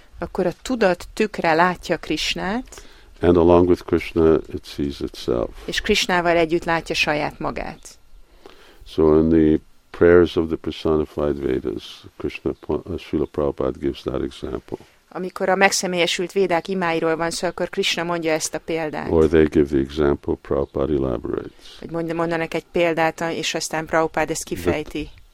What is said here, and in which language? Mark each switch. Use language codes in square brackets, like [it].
[hu] Akkor a tudat tükre látja Krishnát. [en] And along with Krishna it sees itself. [hu] És Krishnával együtt látja saját magát. [en] So in the prayers of the personified Vedas, Krishna, Srila Prabhupada gives that example. [hu] Amikor a megszemélyesült védák imáiról van szó, akkor Krishna mondja ezt a példát. [en] Or they give the example, Prabhupada elaborates. [hu] Vagy mondanak egy példát, és aztán Prabhupada ezt kifejti.